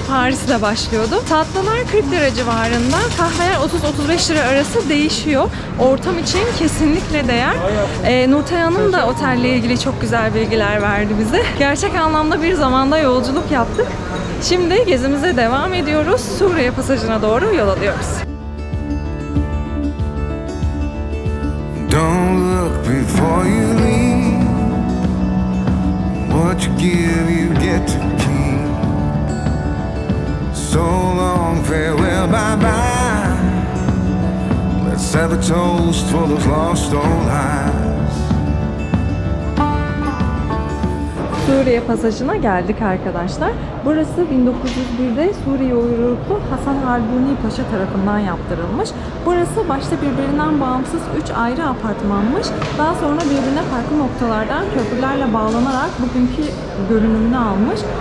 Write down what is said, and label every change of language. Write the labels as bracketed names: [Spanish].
[Turkish] Paris'te başlıyordu. Tatlılar 40 lira civarında. Kahveler 30-35 lira arası değişiyor. Ortam için kesinlikle değer. Nurten Hanım da otelle ilgili çok güzel bilgiler verdi bize. Gerçek anlamda bir zamanda yolculuk yaptık. Şimdi gezimize devam ediyoruz. Suriye pasajına doğru yol alıyoruz. [English] Don't look before you leave. What you give you get to keep. So long farewell bye bye. Let's have a toast for those lost old eyes. [Turkish] Suriye pasajına geldik arkadaşlar. Burası 1901'de Suriye uyruklu Hasan Harbuni Paşa tarafından yaptırılmış. Burası başta birbirinden bağımsız 3 ayrı apartmanmış. Daha sonra birbirine farklı noktalardan köprülerle bağlanarak bugünkü görünümünü almış.